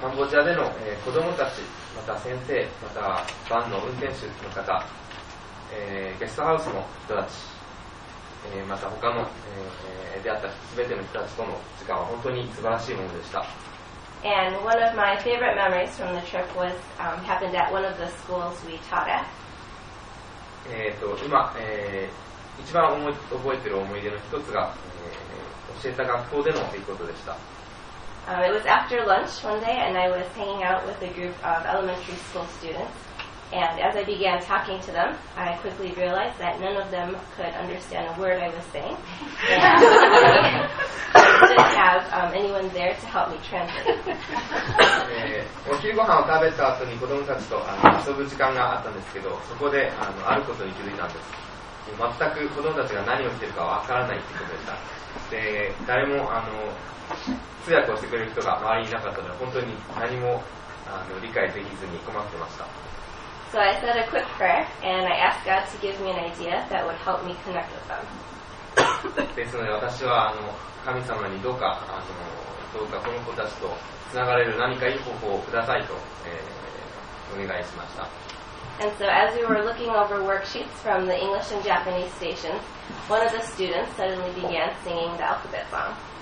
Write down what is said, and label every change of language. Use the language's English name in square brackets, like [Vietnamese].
[Japanese] カンボジアでの、子どもたち、また先生、またバンの運転手の方、ゲストハウスの人たち。また他の、出会った全ての人たちとの時間は本当に素晴らしいものでした。 [English] And one of my favorite memories from the trip was, happened at one of the schools we taught at. [Japanese] 今、一番覚えている思い出の一つが、教えた学校での出来事でした。 [English] It was after lunch one day and I was hanging out with a group of elementary school students. And as I began talking to them, I quickly realized that none of them could understand a word I was saying. And I didn't have anyone there to help me translate. [Japanese] お昼ご飯を食べた後に子供たちと遊ぶ時間があったんですけど、そこであることに気づいたんです。全く子供たちが何をしているかわからないってことでした。で、誰も通訳をしてくれる人が周りにいなかったので、本当に何も理解できずに困ってました。 [English] So I said a quick prayer, and I asked God to give me an idea that would help me connect with them. [Japanese] ですので私は神様にどうかこの子たちとつながれる何かいい方法をくださいと、お願いしました。 [English] And so as we were looking over worksheets from the English and Japanese stations, one of the students suddenly began singing the alphabet song.